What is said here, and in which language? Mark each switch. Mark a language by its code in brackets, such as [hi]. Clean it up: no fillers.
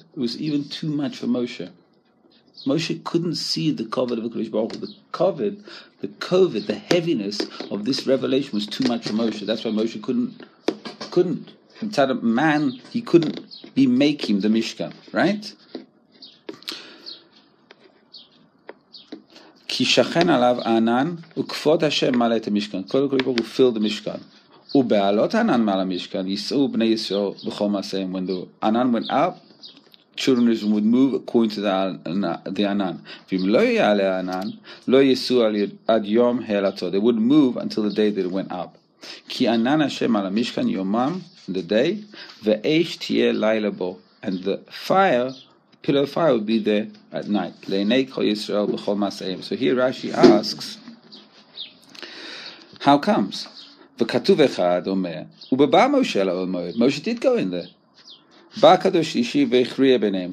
[en] It was even too much for Moshe. Moshe couldn't see the kovod of the Kodesh Baruch Hu. The kovod, the heaviness of this revelation was too much for Moshe. That's why Moshe couldn't. Inside a man, he couldn't be making the Mishkan, right? [he] כי שכן עליו ענן וכבוד השם מעלה את המשכן. קודם כל הוא פיל את המשכן. ובעלות ענן מעל המשכן יישאו בני ישראל בכל מעשיהם. [en] ענן went up, children would move according to the ענן. [he] ואם לא יעלה הענן, לא יישאו עד יום העלתו. [en] They would move until the day that it went up. [he] כי ענן השם על המשכן יומם, [en] the day, [he] ואש תהיה לילה בו. [en] And the fire, the pillar of fire, would be there at night. [he] לעיני כל ישראל בכל מעשיהם. [en] So here Rashi asks, how comes? [he] וכתוב אחד אומר, ובבא משה לאומר, משה [en] did go in there. [he] בא הקדוש אישי והכריע ביניהם.